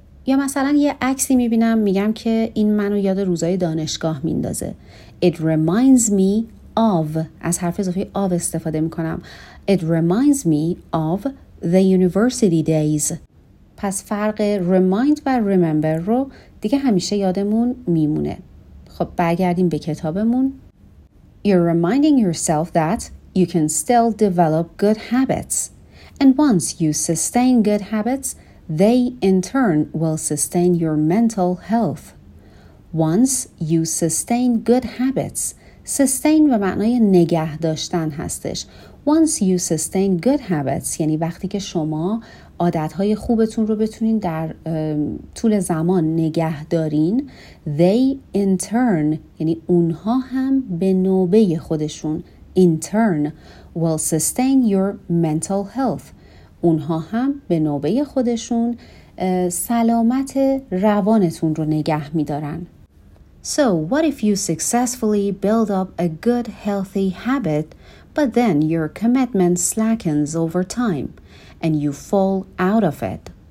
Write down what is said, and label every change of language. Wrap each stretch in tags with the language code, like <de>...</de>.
<fa>یا مثلا یه عکسی میبینم میگم که این منو یاد روزای دانشگاه میندازه.</fa> <en>It reminds me of،</en> <fa>از حرف اضافه of استفاده میکنم.</fa> <en>It reminds me of the university days.</en> <fa>پس فرق remind و remember رو دیگه همیشه یادمون میمونه. خب برگردیم به کتابمون.</fa> <en>You're reminding yourself that you can still develop good habits. And once you sustain good habits, they in turn will sustain your mental health. Once you sustain good habits.</en> <fa>Sustain به معنای نگه داشتن هستش.</fa> <en>Once you sustain good habits</en> <fa>یعنی وقتی که شما عادت‌های خوبتون رو بتونین در طول زمان نگه دارین،</fa> <en>they in turn</en> <fa>یعنی اونها هم به نوبه خودشون،</fa> <en>in turn will sustain your mental health،</en> <fa>اونها هم به نوبه خودشون سلامت روانتون رو نگه می‌دارن.</fa> <en>So what if you successfully build up a good healthy habit but then your commitment slackens over time and you fall out of it.</en>